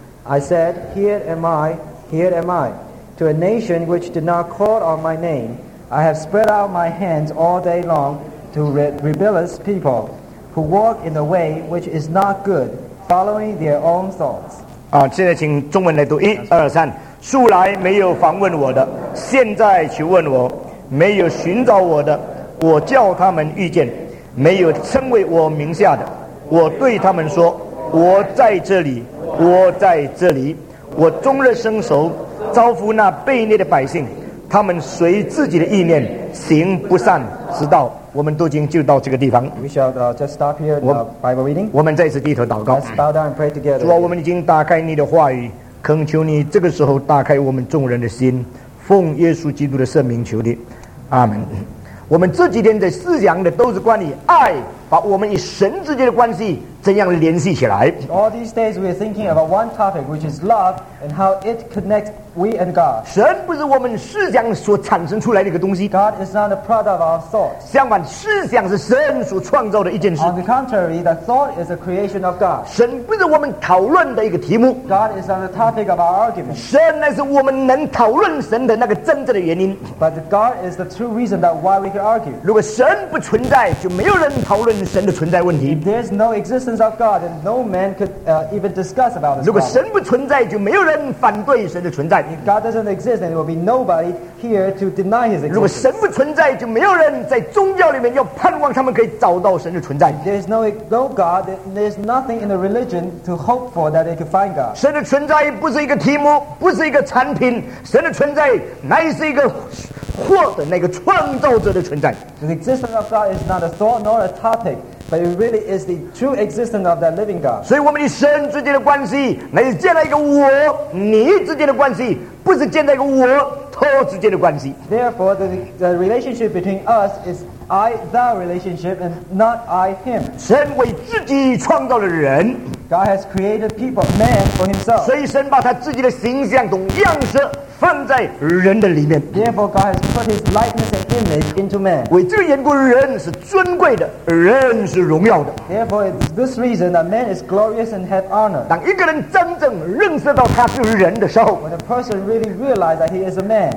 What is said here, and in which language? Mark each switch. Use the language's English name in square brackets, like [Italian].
[English] I said, here am I, here am I. To a nation which did not call on my name, I have spread out my hands all day long to rebellious people. Who walk in the way which is not good, following their own thoughts. [Chinese] 啊，现在请中文来读一二三。素来没有访问我的，现在求问我；没有寻找我的，我叫他们遇见；没有称为我名下的，我对他们说，我在这里，我在这里，我终日伸手招呼那悖逆的百姓，他们随自己的意念行不善之道。我们读经就到这个地方。 [English] We shall just stop here in the Bible reading. [Chinese] 我们再次低头祷告。 [English] Let's bow down and pray together. [Chinese] 主啊，我们已经打开你的话语，恳求你这个时候打开我们众人的心，奉耶稣基督的圣名求你，阿门。我们这几天在思想的都是关于爱，把我们与神之间的关系怎样联系起来。 [English] All these days we are thinking about one topic, which is love and how it connects we and God. [Chinese] 神不是我们思想所产生出来的一个东西。 [English] God is not a product of our thoughts. [Chinese] 相反，思想是神所创造的一件事。 [English] On the contrary, the thought is a creation of God. [Chinese] 神不是我们讨论的一个题目。 [English] God is not a topic of our argument. [Chinese] 神乃是我们能讨论神的那个真正的原因。 [English] But God is the true reason that why we can argue. [Chinese] 如果神不存在，就没有人讨论神的存在问题。 [English] If there's no existence of God, then no man could even discuss about this. [Chinese] 如果神不存在，就没有人反对神的存在。 [English] If God doesn't exist, then there will be nobody here to deny His existence. [Chinese] 如果神不存在，就没有人在宗教里面要盼望他们可以找到神的存在。 [English] There's no God. There's nothing in the religion to hope for that they could find God. [Chinese] 神的存在不是一个题目，不是一个产品。神的存在乃是一个活的那个创造者的存在。 [English] The existence of God is not a thought nor a topic. But it really is the true existence of that living God. [Chinese] 所以我们与神之间的关系，乃是建立一个我你之间的关系，不是建立一个我他之间的关系。 [English] Therefore, the relationship between us is I-thou relationship and not I-him. [Chinese] 神为自己创造了人。 [English] God has created people, man for himself. [Chinese] 所以神把他自己的形象同样式放在人的里面。 [English] Therefore, God has put His likeness and image into man. [Chinese] 为这个缘故，人是尊贵的，人是荣耀的。 [English] Therefore, it's this reason that man is glorious and have honor. [Chinese] 当一个人真正认识到他是人的时候 [English] ，When a person really realizes that he is a man,